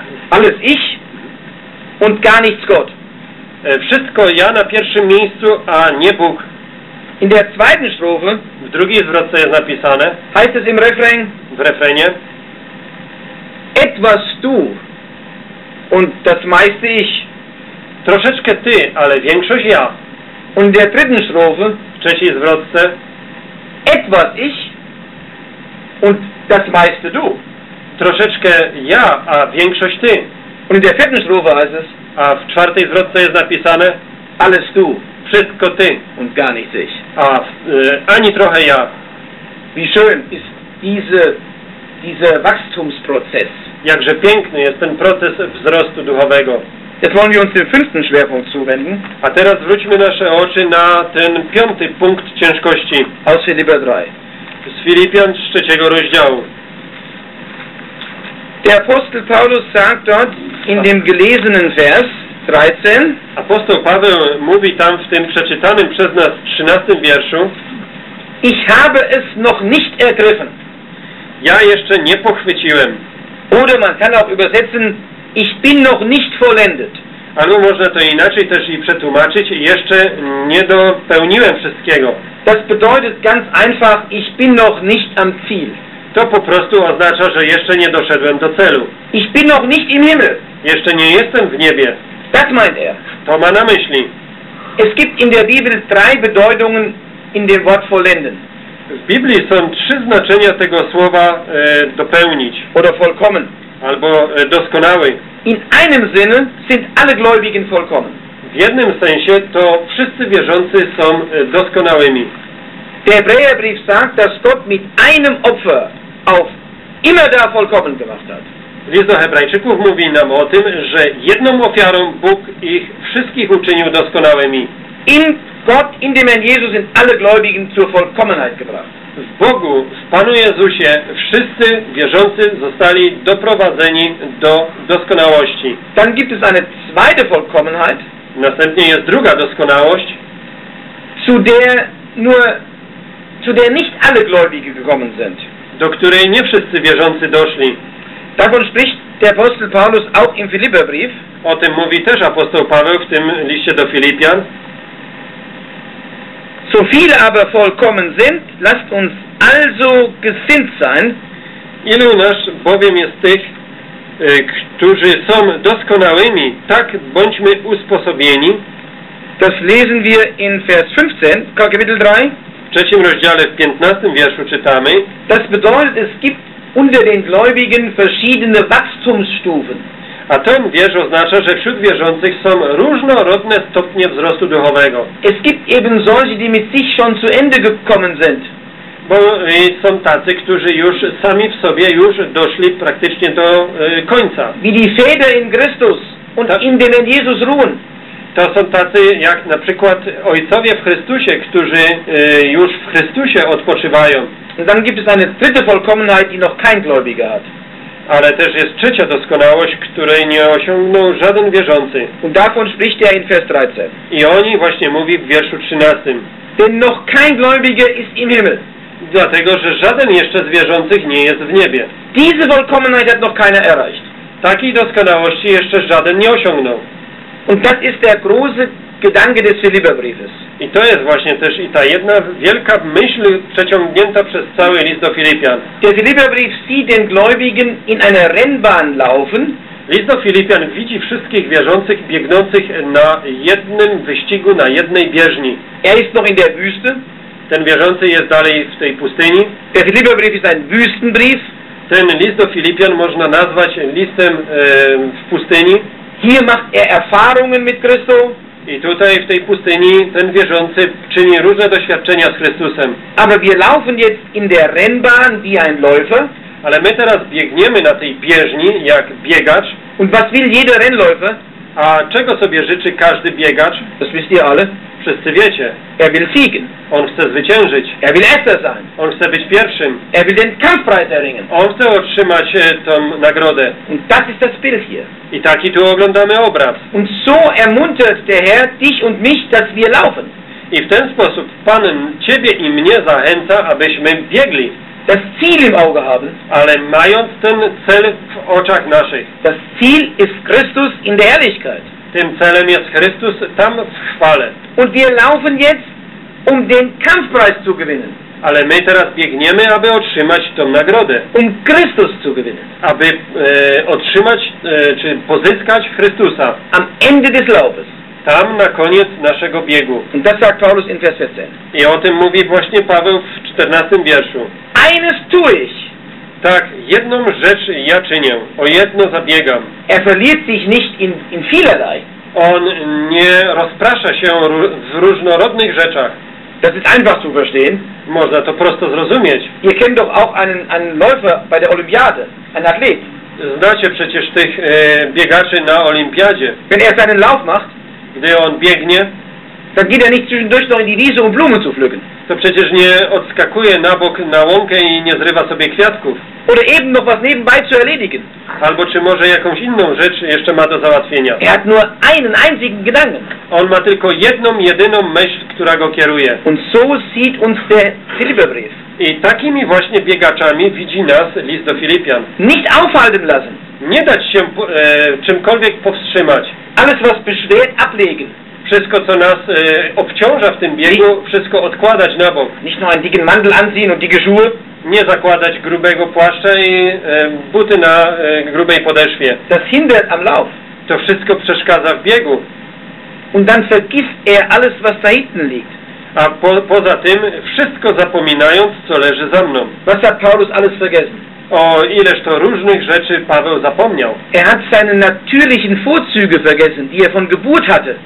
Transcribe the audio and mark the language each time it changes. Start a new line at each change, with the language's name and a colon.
German: alles ich und gar nichts Gott.
Polish: Wszystko ja na pierwszym miejscu, a nie Bóg.
German: In der zweiten Strophe,
Polish: w drugiej zwrotce jest napisane,
German: heißt es im Refrain,
Polish: w refrenie:
German: Etwas du und das meiste ich.
Polish: Troszeczkę ty, ale większość ja.
German: Und der dritten Strophe,
Polish: w trzeciej zwrotce,
German: etwas ich und das meiste du.
Polish: Troszeczkę ja, a większość ty.
German: Und der vierten Strophe heißt es,
Polish: a w czwartej zwrotce jest napisane,
German: alles du,
Polish: wszystko ty,
German: und gar nichts ich.
Polish: A ani trochę ja.
German: Wie schön ist dieser Wachstumsprozess.
Polish: Jakże piękny jest ten proces wzrostu duchowego.
German: Jetzt wollen wir uns dem fünften Schwerpunkt zuwenden.
Polish: A teraz zwróćmy nasze oczy na ten piąty punkt ciężkości.
German: Aus Philipper 3.
Polish: Z Filipian z trzeciego rozdziału.
German: Der Apostel Paulus sagt dort in dem gelesenen Vers 13.
Polish: Apostoł Paweł mówi tam w tym przeczytanym przez nas 13 wierszu.
German: Ich habe es noch nicht ergriffen.
Polish: Ja jeszcze nie pochwyciłem.
German: Oder man kann auch übersetzen. Ich bin noch nicht vollendet.
Polish: Ano, można to inaczej też i przetłumaczyć. Jeszcze nie dopełniłem wszystkiego.
German: Das bedeutet ganz einfach, ich bin noch nicht am Ziel.
Polish: To po prostu oznacza, że jeszcze nie doszedłem do celu.
German: Ich bin noch nicht im Himmel.
Polish: Jeszcze nie jestem w niebie.
German: Das meint er.
Polish: To ma na myśli.
German: Es gibt in der Bibel drei Bedeutungen in dem Wort vollenden.
Polish: W Biblii są trzy znaczenia tego słowa dopełnić.
German: Oder vollkommen.
Polish: Albo doskonały.
German: In einem Sinne sind alle Gläubigen vollkommen.
Polish: W jednym sensie to wszyscy wierzący są doskonałymi.
German: Der Hebräerbrief sagt, dass Gott mit einem Opfer auf immer da vollkommen gemacht hat.
Polish: List do Hebrajczyków mówi nam o tym, że jedną ofiarą Bóg ich wszystkich uczynił doskonałymi.
German: In Gott, in dem Herrn Jesus sind alle Gläubigen zur Vollkommenheit gebracht.
Polish: W Bogu, w Panu Jezusie, wszyscy wierzący zostali doprowadzeni do doskonałości.
German: Dann gibt es eine zweite Vollkommenheit.
Polish: Następnie jest druga doskonałość.
German: Zu der nicht alle Gläubige gekommen sind.
Polish: Do której nie wszyscy wierzący doszli.
German: Davon spricht der Apostel Paulus auch im Philipperbrief.
Polish: O tym mówi też apostoł Paweł w tym liście do Filipian.
German: So viele aber vollkommen sind, lasst uns also gesinnt sein.
Polish: Ilu nasz bowiem jest tych, którzy są doskonałymi, tak bądźmy usposobieni.
German: Das lesen wir in Vers 15, Kapitel 3.
Polish: W trzecim rozdziale, w 15 wierszu czytamy.
German: Das bedeutet, es gibt unter den Gläubigen verschiedene Wachstumsstufen.
Polish: A ten wiersz oznacza, że wśród wierzących są różnorodne stopnie wzrostu duchowego.
German: Es gibt eben solche, die mit sich schon zu Ende gekommen sind.
Polish: Bo są tacy, którzy już sami w sobie już doszli praktycznie do końca.
German: Wie die Väter in Christus und in dem Herrn Jesus ruhen.
Polish: To są tacy jak na przykład ojcowie w Chrystusie, którzy już w Chrystusie odpoczywają.
German: Und dann gibt es eine dritte Vollkommenheit, die noch kein Gläubiger hat.
Polish: Ale też jest trzecia doskonałość, której nie osiągnął żaden wierzący.
German: Und davon spricht er in Vers 13.
Polish: I o nim właśnie mówi w wierszu 13.
German: Denn noch kein Gläubiger ist im Himmel.
Polish: Dlatego, że żaden jeszcze z wierzących nie jest w niebie.
German: Diese Vollkommenheit hat noch keiner erreicht.
Polish: Takiej doskonałości jeszcze żaden nie osiągnął.
German: Und das ist der große Gedanke des Philipperbriefes.
Polish: I to jest właśnie też i ta jedna wielka myśl przeciągnięta przez cały list do Filipian.
German: Der Philipperbrief sieht den Gläubigen in einer Rennbahn laufen.
Polish: List do Filipian widzi wszystkich wierzących biegnących na jednym wyścigu, na jednej bieżni.
German: Er ist noch in der Wüste.
Polish: Ten wierzący jest dalej w tej pustyni.
German: Der Philipperbrief ist ein Wüstenbrief.
Polish: Ten list do Filipian można nazwać listem w pustyni.
German: Hier macht er Erfahrungen mit Christus.
Polish: I tutaj w tej pustyni ten wierzący czyni różne doświadczenia z Chrystusem.
German: Aber wir laufen jetzt in der Rennbahn wie ein Läufer.
Polish: Ale my teraz biegniemy na tej bieżni jak biegacz.
German: Und was will jeder Rennläufer?
Polish: A czego sobie życzy każdy biegacz?
German: Das wisst ihr alle.
Polish: Wszyscy wiecie.
German: Er will siegen.
Polish: On chce zwyciężyć.
German: Er will erster sein.
Polish: On chce być pierwszym.
German: Er will den Kampfpreis erringen.
Polish: On chce otrzymać tą nagrodę.
German: Und das ist das Bild hier.
Polish: I taki tu oglądamy obraz.
German: Und so ermuntert der Herr dich und mich, dass wir laufen.
Polish: I w ten sposób Pan ciebie i mnie zachęca, abyśmy biegli.
German: Das Ziel im Auge haben.
Polish: Ale mając ten cel w oczach naszych.
German: Das Ziel ist Christus in der Herrlichkeit.
Polish: Tym celem jest Chrystus tam w chwale.
German: Und wir laufen jetzt, um den Kampfpreis zu gewinnen.
Polish: Ale my teraz biegniemy, aby otrzymać tą nagrodę.
German: Um Christus zu gewinnen.
Polish: Aby otrzymać, czy pozyskać Chrystusa.
German: Am Ende des Laufes.
Polish: Tam na koniec naszego biegu.
German: Und das sagt Paulus in Vers 14.
Polish: I o tym mówi właśnie Paweł w 14 wierszu.
German: Eines tue ich.
Polish: Tak, jedną rzecz ja czynię. O jedno zabiegam.
German: Er verliert sich nicht in vielerlei.
Polish: On nie rozprasza się w różnorodnych rzeczach.
German: Das ist einfach zu verstehen.
Polish: Można to prosto zrozumieć.
German: Ihr kennt doch auch einen Läufer bei der Olympiade, einen Athlet.
Polish: Znacie przecież tych biegaczy na Olimpiadzie.
German: Wenn er seinen Lauf macht,
Polish: gdy on biegnie,
German: dann geht er nicht zwischendurch noch in die Wiese, um Blumen zu pflücken.
Polish: To przecież nie odskakuje na bok na łąkę i nie zrywa sobie kwiatków.
German: Oder eben noch was nebenbei zu erledigen.
Polish: Albo czy może jakąś inną rzecz jeszcze ma do załatwienia.
German: Er hat nur einen einzigen Gedanken.
Polish: On ma tylko jedną, jedyną myśl, która go kieruje.
German: Und so sieht uns der Philipperbrief.
Polish: I takimi właśnie biegaczami widzi nas list do Filipian.
German: Nicht aufhalten lassen.
Polish: Nie dać się czymkolwiek powstrzymać.
German: Alles was beschwert, ablegen.
Polish: Wszystko, co nas obciąża w tym biegu, wszystko odkładać na bok.
German: Nicht nur einen dicken Mantel anziehen und dicke Schuhe.
Polish: Nie zakładać grubego płaszcza i buty na grubej podeszwie.
German: Das hindert am Lauf.
Polish: To wszystko przeszkadza w biegu.
German: Und dann vergisst er alles, was da hinten liegt.
Polish: A poza tym wszystko zapominając, co leży za mną.
German: Was hat Paulus alles vergessen?
Polish: O ileż to różnych rzeczy Paweł zapomniał.
German: Er hat seine natürlichen Vorzüge vergessen, die er von Geburt hatte.